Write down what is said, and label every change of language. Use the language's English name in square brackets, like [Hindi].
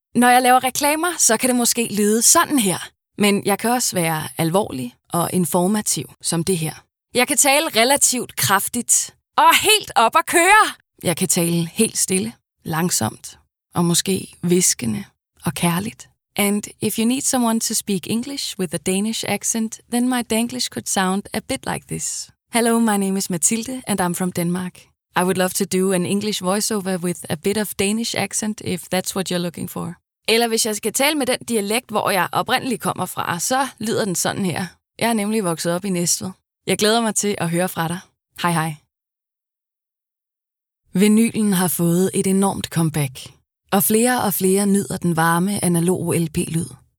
[Danish] Når jeg laver reklamer, så kan det måske lyde sådan her. Men jeg kan også være alvorlig og informativ som det her. Jeg kan tale relativt kraftigt og helt op at køre. Jeg kan tale helt stille, langsomt og måske hviskende og kærligt. [English] And if you need someone to speak English with a Danish accent, then my Danglish could sound a bit like this. Hello, my name is Mathilde and I'm from Denmark. I would love to do an English voiceover with a bit of Danish accent if that's what you're looking for. [Danish] Eller hvis jeg skal tale med den dialekt, hvor jeg oprindeligt kommer fra, så lyder den sådan her. Jeg er nemlig vokset op i Næstved. Jeg glæder mig til at høre fra dig. Hej hej. Vinylen har fået et enormt comeback. Og flere nyder den varme analog LP-lyd.